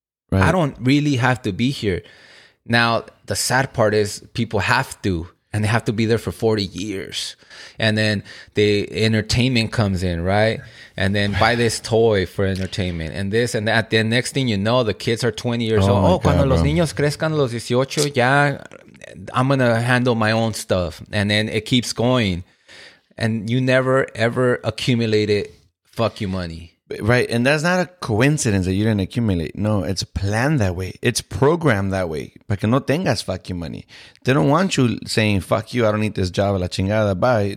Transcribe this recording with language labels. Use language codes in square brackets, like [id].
[en] Right. I don't really have to be here. Now, the sad part is people have to. And they have to be there for 40 years. And then the entertainment comes in, right? And then buy this toy for entertainment. And this and that. The next thing you know, the kids are 20 years old. [es] Oh, cuando los niños crezcan los 18, ya... [en] I'm going to handle my own stuff. And then it keeps going. And you never, ever accumulated fuck you money. Right. And that's not a coincidence that you didn't accumulate. No, it's planned that way. It's programmed that way. [es] Para que no tengas [en] fuck you money. They don't want you saying, fuck you, I don't need this job, [es] la chingada, [en] bye.